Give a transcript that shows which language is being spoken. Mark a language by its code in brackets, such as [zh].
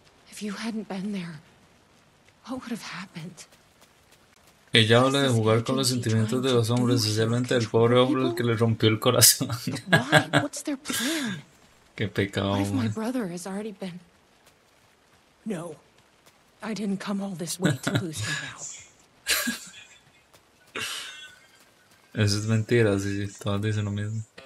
[en] If you hadn't been there, what would have happened? [es] Ella habla de jugar con los sentimientos de los hombres, especialmente del pobre hombre al que le rompió el corazón. ¿Por qué? ¿Cuál es su plan? Qué pecado. [en] What if my brother has already been... No. I didn't come all this way to lose him now. [es] Eso es mentira, sí, sí, todas dicen lo mismo.